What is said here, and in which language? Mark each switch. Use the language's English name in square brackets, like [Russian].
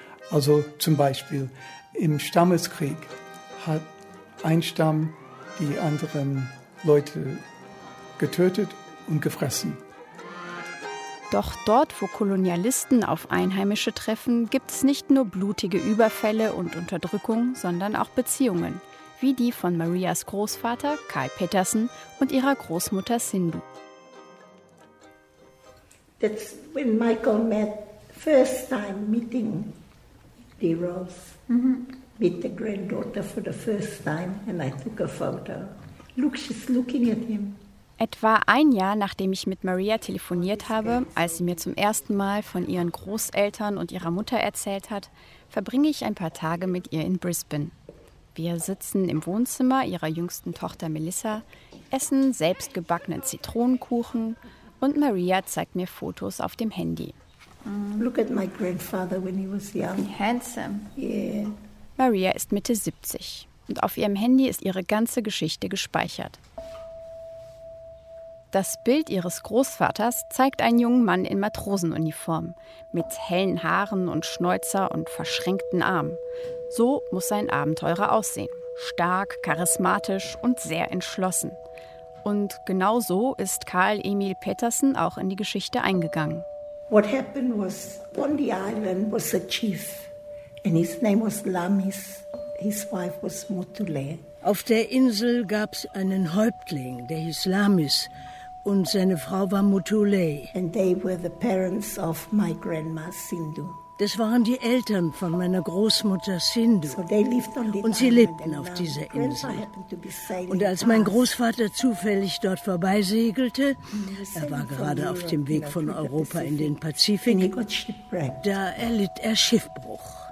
[German] Also zum Beispiel im Stammeskrieg hat ein Stamm die anderen Leute getötet und gefressen. Doch dort, wo Kolonialisten auf Einheimische treffen, gibt es nicht nur blutige Überfälle und Unterdrückung, sondern auch Beziehungen. Wie die von Marias Großvater, Karl Petersen, und ihrer Großmutter Sindhu. [English] That's when Michael met, first time meeting Dee Rose. Mm-hmm. Meet the granddaughter for the first time and I took a photo. Look, she's looking at him. [German] Etwa ein Jahr, nachdem ich mit Maria telefoniert habe, als sie mir zum ersten Mal von ihren Großeltern und ihrer Mutter erzählt hat, verbringe ich ein paar Tage mit ihr in Brisbane. Wir sitzen im Wohnzimmer ihrer jüngsten Tochter Melissa, essen selbstgebackenen Zitronenkuchen und Maria zeigt mir Fotos auf dem Handy. [English] Look at my grandfather when he was young. Handsome. Yeah. [German] Maria ist Mitte 70 und auf ihrem Handy ist ihre ganze Geschichte gespeichert. Das Bild ihres Großvaters zeigt einen jungen Mann in Matrosenuniform mit hellen Haaren und Schnäuzer und verschränkten Armen. So muss sein Abenteurer aussehen. Stark, charismatisch und sehr entschlossen. Und genau so ist Karl Emil Petersen auch in die Geschichte eingegangen. [English] What happened was, on the island was a chief and his name was Lamis. His wife was Motule. [German] Auf der Insel gab es einen Häuptling, der hieß Lamis. Und seine Frau war Mutule. [English] And they were the parents of my grandma Sindhu. [German] Das waren die Eltern von meiner Großmutter Sindhu. [English] So they lived on the [German] und sie lebten auf dieser Insel. Und als mein Großvater zufällig dort vorbeisegelte, er war gerade auf dem Weg von Europa in den Pazifik, da erlitt er Schiffbruch.